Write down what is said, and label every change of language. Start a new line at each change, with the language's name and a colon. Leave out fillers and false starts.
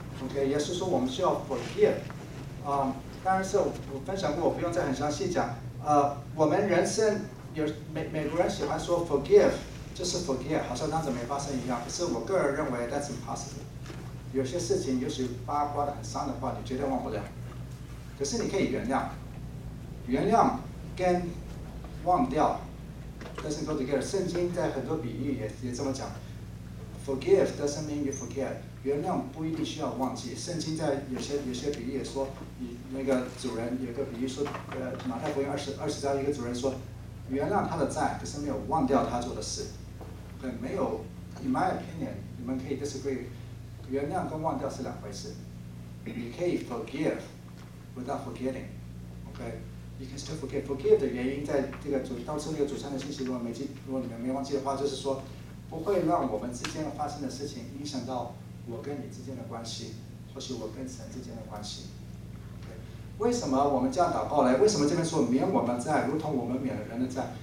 Chinese: OK， 耶稣说我们需要 forgive。当然是我分享过，我不用再很详细讲。我们人生美国人喜欢说 forgive， 就是 forgive， 好像当时没发生一样。可是我个人认为
English: that's impossible。
Chinese: 有些事情尤其八卦的很伤的话，你绝对忘不了，可是你可以原谅。原谅跟忘掉
English: doesn't go together。
Chinese: 圣经在很多比喻 也这么讲，
English: forgive doesn't mean you forget，
Chinese: 原谅不一定需要忘记。圣经在有些比喻也说，那个主人有个比喻说，马太福音二十章一个主人说原谅他的债，可是没有忘掉他做的事。对，没有 ，
English: in my opinion，
Chinese: 你们可以 disagree。原谅跟忘掉是两回事。你可以
English: forgive without forgetting， OK？ You can still forget。
Chinese: forgive 的原因在这个当初那个主餐的信息，如果你们没忘记的话，就是说不会让我们之间发生的事情影响到我跟你之间的关系，或是我跟神之间的关系。为什么我们这样祷告呢？为什么这边说免我们债，如同我们免了人的债？